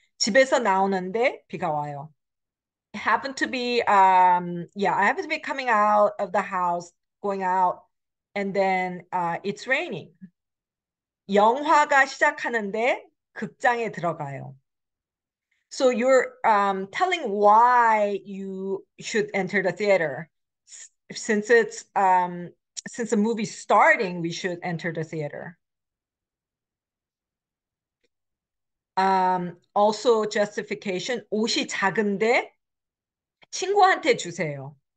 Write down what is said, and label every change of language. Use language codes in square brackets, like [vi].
[ko] 집에서 나오는데 비가 와요. [en] It happened to be, I happen to be coming out of the house, going out, and then it's raining. [ko] 영화가 시작하는데 극장에 들어가요. [en] So you're telling why you should enter the theater. Since the movie's starting, we should enter the theater. Also justification, [ko] 옷이 작은데 친구한테 주세요.